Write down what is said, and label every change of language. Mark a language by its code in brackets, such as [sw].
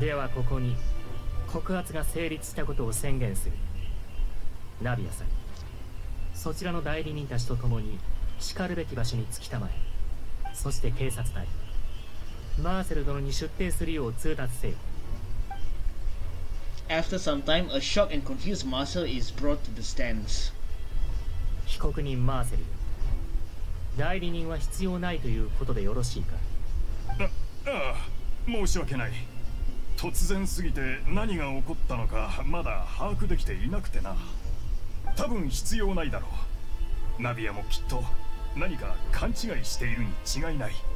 [ja] ではここに告発が成立したことを宣言する。ナビアさん、そちらの代理人たちと共に叱るべき場所に着きたまえ。そして警察隊、マーセル殿に出廷するよう通達せよ。 [en] After some time, a shocked and confused Marcel is brought to the stands. [ja] 被告人マーセル、代理人は必要ないということでよろしいか？ああ、申し訳ない。突然すぎて何が起こったのかまだ把握できていなくてな。多分必要ないだろう。ナビアもきっと何か勘違いしているに違いない。